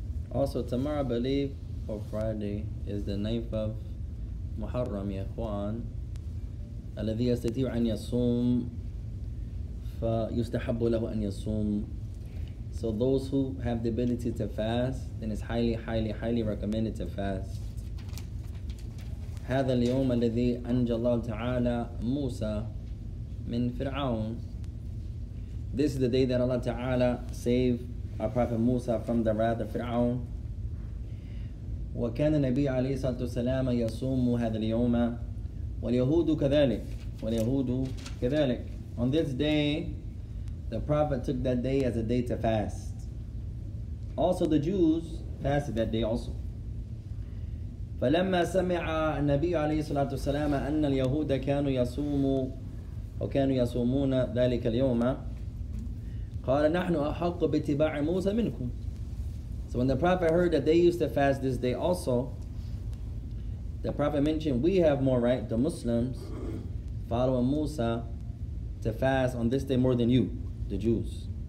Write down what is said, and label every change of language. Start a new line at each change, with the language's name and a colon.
English: Also, tomorrow, I believe, or Friday, is the 9th of Muharram, Ya Ikhwan.
Arabic: الَّذِي يَسْتَطِيعُ أَنْ يَصُومُ فيستحب له أن يصوم.
English: So those who have the ability to fast, then it's highly, highly, highly recommended to fast.
Arabic: هذا اليوم الذي أنجى الله تعالى موسى من فرعون.
English: This is the day that Allah Ta'ala saved our prophet Musa from the wrath of Fir'aun.
Arabic: وكان النبي عليه الصلاة والسلام يصوم هذا اليوم واليهود كذلك واليهود كذلك.
English: On this day, the prophet took that day as a day to fast. Also the Jews fasted that day also.
Arabic: فلما سمع النبي عليه الصلاة والسلام أن اليهود كانوا يصوموا وكانوا يصومون ذلك اليوم قال نحن أحق باتباع موسى منكم.
English: So when the prophet heard that they used to fast this day also, the prophet mentioned, we have more right, the Muslims, following Musa, to fast on this day more than you, the Jews.